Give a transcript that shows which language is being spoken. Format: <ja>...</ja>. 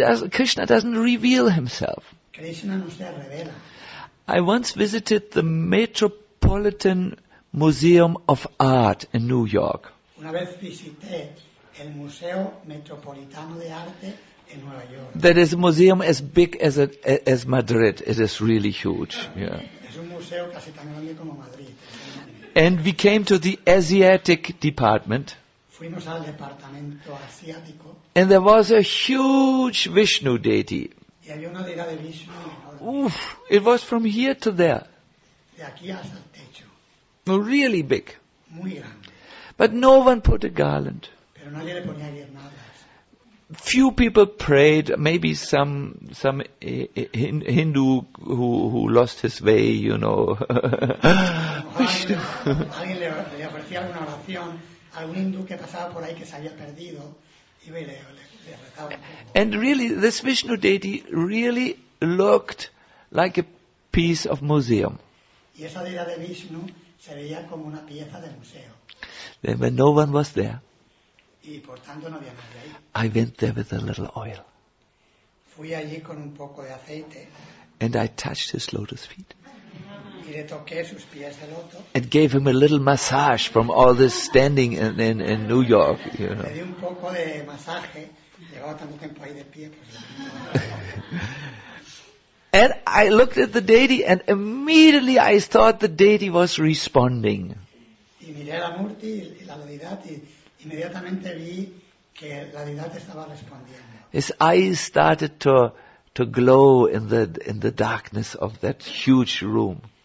<en>Krishna doesn't reveal himself.</en> <es>Krishna no se revela.</es> <en>I once visited the Metropolitan Museum of Art in New York.</en> <es>Una vez visité el Museo Metropolitano de Arte en Nueva York.</es> <en>That is a museum as big as Madrid. It is really huge. Yeah.</en> <es>Es un museo casi tan grande como Madrid.</es> <en>And we came to the Asiatic department.</en> <es>Fuimos al departamento asiático.</es> <en>And there was a huge Vishnu deity.</en> <es>Y había una deidad de Vishnu.</es> <en>Oof, it was from here to there.</en> <es>De aquí hasta el techo.</es> <en>Really big.</en> <es>Muy grande.</es> <en>But no one put a garland.</en> <es>Pero nadie le ponía guirnaldas.</es> <en>Few people prayed, maybe some Hindu who lost his way, you know. Vishnu.</en> <es>Alguien le ofrecía alguna oración. Algún hindú que pasaba por ahí que se había perdido y le rezaba.</es> <en>And really, this Vishnu deity really looked like a piece of museum.</en> <es>Y esa deidad de Vishnu se veía como una pieza de museo.</es> <en>Then, but no one was there.</en> <es>Y por tanto no había nadie ahí.</es> <en>I went there with a little oil.</en> <es>Fui allí con un poco de aceite.</es> <en>And I touched his lotus feet.</en> <es>Y le toqué sus pies de loto.</es> <en>And gave him a little massage from all this standing in New York, you know.</en> <es>Le di un poco de masaje. Llevaba tanto tiempo ahí de pie.</es> <en>And I looked at the deity and immediately I thought the deity was responding.</en> <es>Y miré a la Murti y la deidad y inmediatamente vi que la deidad estaba respondiendo.</es> <en>His eyes started to glow in the darkness of that huge room.</en>